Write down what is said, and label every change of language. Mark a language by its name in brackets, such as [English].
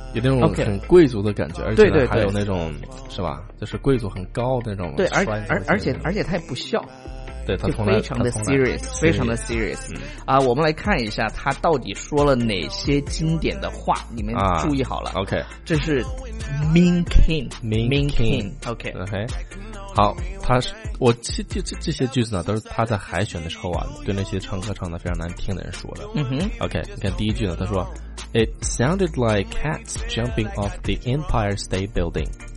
[Chinese] 有那种很贵族的感觉、 okay、而且还有那种是吧，就是贵族很高的那种，对，而且他也不笑，对，他从来非常的 serious， 非常的 serious、嗯、啊，我们来看一下他到底说了哪些经典的话，你们注意好了、啊、OK，这是 Mean King， [English] Mean King， [Chinese] OK， OK， 好，他是我这些句子呢都是他在海选的时候啊对那些唱歌唱的非常难听的人说的，嗯哼， [English] OK， [Chinese] 你看第一句呢，他说 [English] It sounded like cats jumping off the Empire State Building，